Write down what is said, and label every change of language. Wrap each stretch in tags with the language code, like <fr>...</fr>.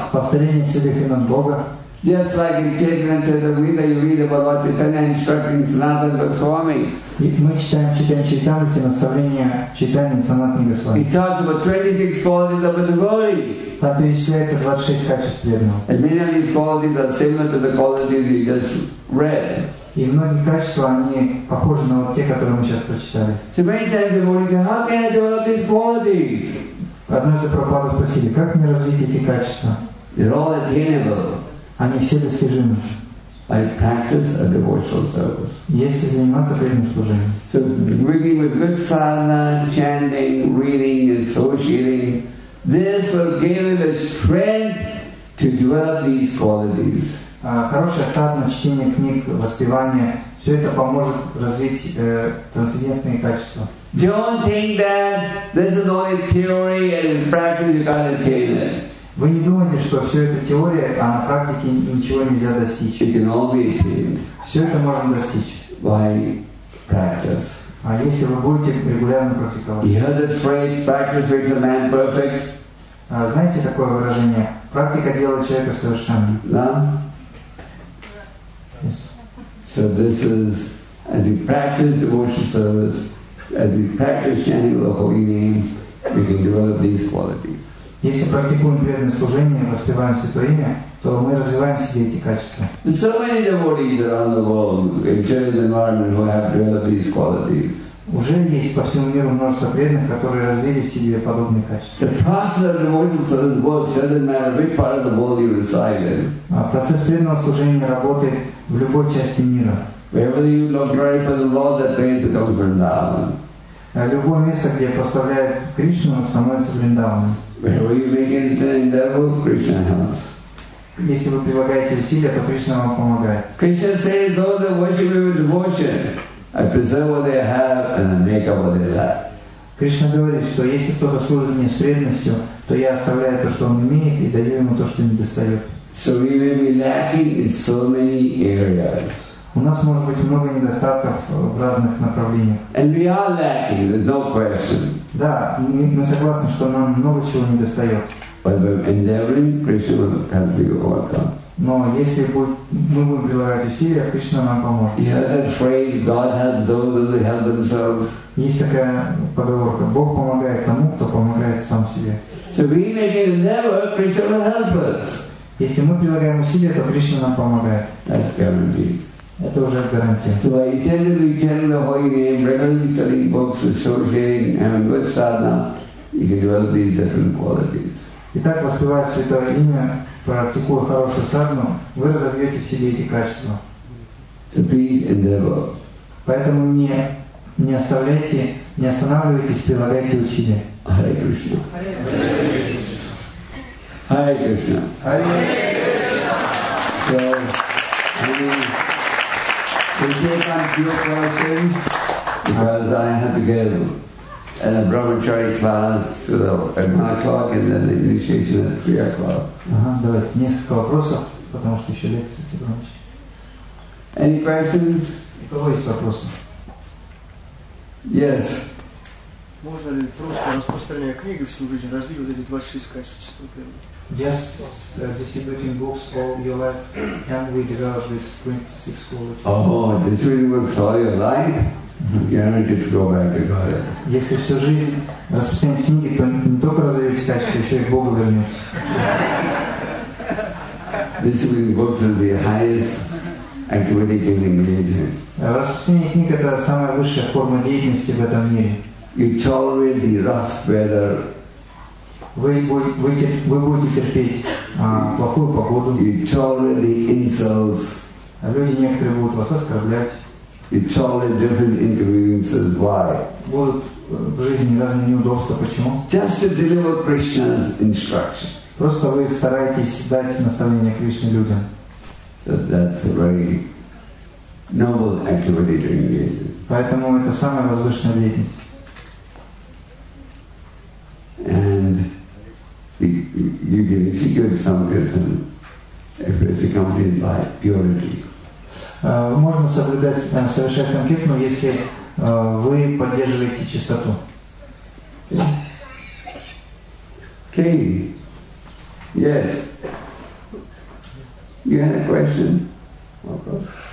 <ru>Повторение святых имен Бога.</ru> <en>Just like in Chaitanya Charitamrita, you read about Lord Chaitanya instructing Sanatana Goswami.</en> <ru>Мы читаем Chaitanya Charitamrita, наставления Chaitanya Sanatana Goswami.</ru> <en>He talks about 26 qualities of a devotee.</en> <ru>Там перечисляется 26 качеств преданного.</ru> <en>And many of these qualities are similar to the qualities you just read.</en> <ru>И многие качества, они похожи на те, которые мы сейчас прочитали.</ru> <en>So many times devotees say, how can I develop these qualities?</en> <ru>Однажды Прабхупада спросили, как мне развить эти качества?</ru> <en>They're all attainable.</en> <ru>Они все достижимы.</ru> <en>I practice a devotional service.</en> <ru>Если заниматься преданным служением.</ru> <en>So bringing a good sadhana, chanting, reading, associating, this will give him the strength to develop these qualities.</en> <ru>Хорошая садхана, чтение книг, воспевание, все это поможет развить трансцендентные качества.</ru> <en>Don't think that this is only theory and in practice you can't attain it.</en> <ru>Вы не думаете, что все это теория, а на практике ничего нельзя достичь.</ru> <en>It can all be attained.</en> <ru>Все это можно достичь.</ru> <en>By practice.</en> <ru>А если вы будете регулярно практиковать?</ru> <en>You heard the phrase, practice makes a man perfect?</en> <ru>Знаете такое выражение? Практика делает человека совершенным. Да?</ru> <en>So this is, as we practice devotional service, as we practice chanting the holy name, we can develop these qualities.</en> <ru>Если практикуем преданное служение, воспеваем святое имя, то мы развиваем все эти качества.</ru> <en>So many devotees around the world in Chinese environment who have developed these qualities.</en> <ru>Уже есть по всему миру множество преданных, которые развили в себе подобные качества.</ru> <en>The process of devotional service works doesn't matter which part of the world you reside in.</en> <ru>Процесс преданного служения работает в любой части мира.</ru> <en>Wherever you look right for the Lord, that place becomes Vrindavan.</en> <ru>Любое место, где прославляют Кришну, становится Вриндаваном.</ru> <en>Wherever you make anything in devil, Krishna helps.</en> <ru>Если вы прилагаете усилия, то Кришна вам помогает.</ru> <en>Krishna says, those that worship me with devotion, I preserve what they have and I make up what they lack.</en> <ru>Кришна говорит, что если кто-то служит мне с преданностью, то я оставляю то, что он имеет, и даю ему то, что не достает.</ru> <en>So we may be lacking in so many areas.</en> <ru>У нас может быть много недостатков в разных направлениях.</ru> <en>And we are lacking, there's no question.</en> <ru>Да, мы согласны, что нам много чего недостает.</ru> <en>But by endeavoring, Krishna will help you overcome.</en> <ru>Но если мы будем прилагать усилия, Кришна нам поможет.</ru> <en>You heard that phrase, God helps those who help themselves.</en> <ru>Есть такая поговорка, Бог помогает тому, кто помогает сам себе.</ru> <en>So we make an endeavor, Krishna will help us.</en> <ru>Если мы прилагаем усилия, то Кришна нам помогает.</ru> <en>That's guarantee.</en> <ru>Это уже гарантия.</ru> <en>So by intentionally chanting the holy name, regularly studying books, associating, and good sadhana, you can develop these different qualities.</en> <ru>Итак, воспевая святое имя, практикуя хорошую садхану, вы разовьете в себе эти качества.</ru> <en>So please endeavor.</en> <ru>Поэтому не оставляйте, не останавливайтесь, прилагайте усилия.</ru> <sa>Hare Krishna. Hare Krishna. Hare Krishna. Hare Krishna.</sa> <en>So, we take on your questions because I have to get a brahmachari class at 1 o'clock and then the initiation at 3 o'clock.</en> <ru>Давайте несколько вопросов, потому что еще лекции громче.</ru> <en>Any questions?</en> <ru>У кого есть вопросы?</ru> <en>Yes.</en> <ru>Можно ли просто распространяя книги всю жизнь развить вот эти 26 качества чистого преданного?</ru> <en>Yes, distributing books all your life, can we develop this 26 qualities? Oh, distributing books all your life? Guaranteed to go back to God.</en> <ru>Если всю жизнь распространять книги, то не только развиваете качество, еще и к Богу вернетесь.</ru> <en>Distributing books is the highest activity you can engage in.</en> <ru>Распространение книг – это самая высшая форма деятельности в этом мире.</ru> <en>You tolerate the rough weather.</en> <ru>Вы будете терпеть плохую погоду.</ru> <en>You tolerate the insults.</en> <ru>А люди некоторые будут вас оскорблять.</ru> <en>You tolerate different inconveniences. Why?</en> <ru>Будут в жизни разные неудобства. Почему?</ru> <en>Just to deliver Krishna's instruction.</en> <ru>Просто вы стараетесь дать наставление Кришне людям.</ru> <en>So that's a very noble activity to engage in.</en> <ru>Поэтому это самая возвышенная деятельность.</ru> <en>And you can execute some good thing if it's accompanied by purity.</en> <ru>Можно соблюдать, совершать санкетну, если вы поддерживаете чистоту.</ru> <en>Okay. Yes. You had a question?</en> <ru>Вопрос?</ru>